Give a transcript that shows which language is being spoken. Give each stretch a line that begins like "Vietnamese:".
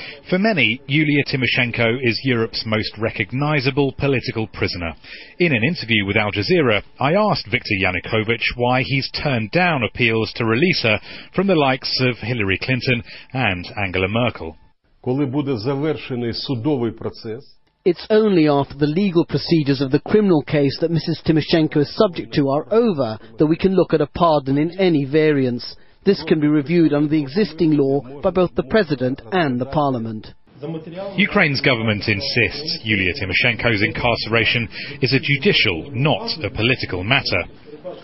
English: For many, Yulia Tymoshenko is Europe's most recognizable political prisoner. In an interview with Al Jazeera, I asked Viktor Yanukovych why he's turned down appeals to release her from the likes of Hillary Clinton and Angela Merkel.
Ukrainian: Коли буде завершений судовий процес.
English: It's only after the legal procedures of the criminal case that Mrs. Tymoshenko is subject to are over that we can look at a pardon in any variance. This can be reviewed under the existing law by both the President and the Parliament. Ukraine's government insists Yulia Tymoshenko's incarceration is a judicial, not a political matter.